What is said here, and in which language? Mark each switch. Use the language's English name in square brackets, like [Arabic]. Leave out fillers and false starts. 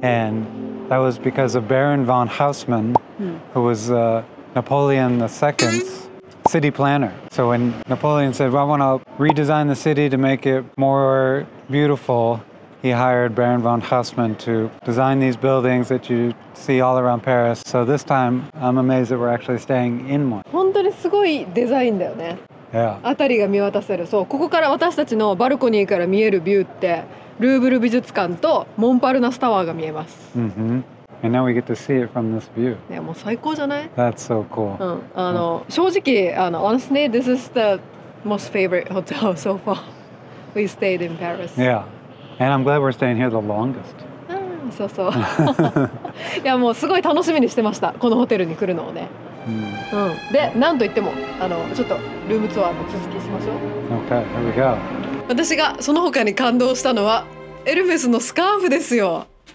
[English] And that was because of Baron von Haussmann, who was Napoleon II's city planner. So when Napoleon said, well, I want to redesign the city to make it more beautiful, he hired Baron von Haussmann to design these buildings that you see all around Paris. So this time, I'm amazed that we're actually staying in one. [Japanese] 本当にすごいデザインだよね。 [English] Yeah. [Japanese] あたりが見渡せる。そう、ここから私たちのバルコニーから見えるビューって、ルーブル美術館とモンパルナスタワーが見えます。 Mm-hmm. [English] And now we get to see it from this view. [Japanese] いや、もう最高じゃない? [English] That's so cool. [Japanese] 正直、 [English] honestly, this is the most favorite hotel so far. We stayed in Paris. Yeah. And I'm glad we're staying here the longest. [Japanese] そうそう。いや、もうすごい楽しみにしてました。このホテルに来るのをね。で、なんといっても、ちょっとルームツアーの続きしましょう。 [English] Okay, here we go. [Japanese] 私がその他に感動したのは、エルメスのスカーフですよ。